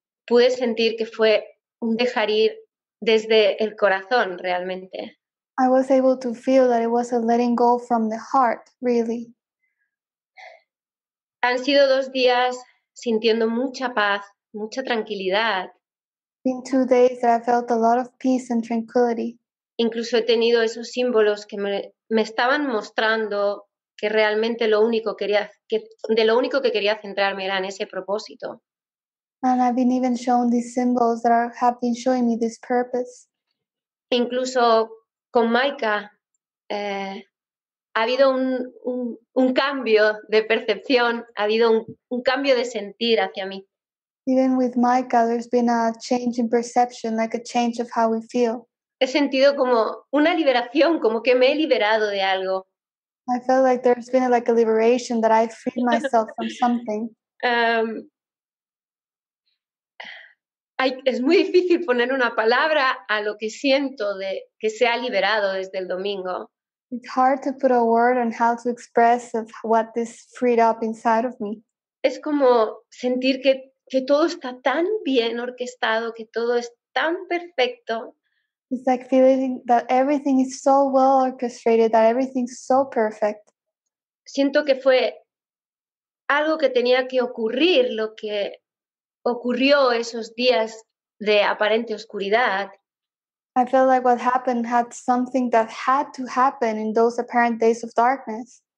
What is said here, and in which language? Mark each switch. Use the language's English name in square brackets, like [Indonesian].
[Spanish] pude sentir que fue un dejar ir desde el corazón realmente. [English] I was able to feel that it was a letting go from the heart, really. [Spanish] Han sido dos días sintiendo mucha paz, mucha tranquilidad. [English] It's been 2 days that I felt a lot of peace and tranquility. [Spanish] Incluso he tenido esos símbolos que me estaban mostrando que realmente lo único que quería centrarme era en ese propósito. [English] And I've been even shown these symbols that have been showing me this purpose. [Spanish] Incluso con Micah ha habido un cambio de percepción, ha habido un cambio de sentir hacia mí. [English] Even with Micah, there's been a change in perception, like a change of how we feel. [Spanish] He sentido como una liberación, como que me he liberado de algo. [English] I felt like there's been like a liberation, that I freed myself from something. [Spanish] Es muy difícil poner una palabra a lo que siento de que se ha liberado desde el domingo. [English] It's hard to put a word on how to express of what this freed up inside of me. [Spanish] Es como sentir que todo está tan bien orquestado, que todo es tan perfecto. [English] It's like feeling that everything is so well orchestrated, that everything's so perfect. [Spanish] Siento que fue algo que tenía que ocurrir, lo que ocurrió esos días de aparente oscuridad. [English] I felt like what happened had something that had to happen in those apparent days of darkness.